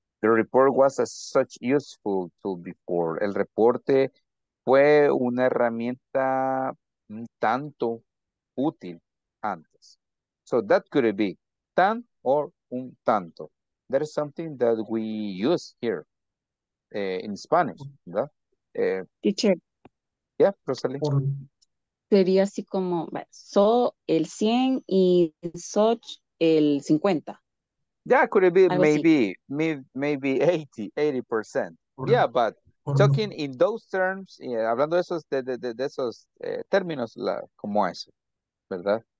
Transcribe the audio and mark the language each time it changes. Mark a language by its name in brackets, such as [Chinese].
[English] The report was a such useful tool before. [Spanish] El reporte fue una herramienta un tanto útil antes. [English] So that could be tan or un tanto. There is something that we use here in Spanish. [Spanish] ¿Verdad? [English] Teacher. Yeah, Rosalie. [Spanish] Sería así como so el 100 y such el 50. [English] Yeah, could it be maybe 80%. Yeah, but talking in those terms, yeah, [Spanish] hablando de esos términos, como eso. ¿Verdad?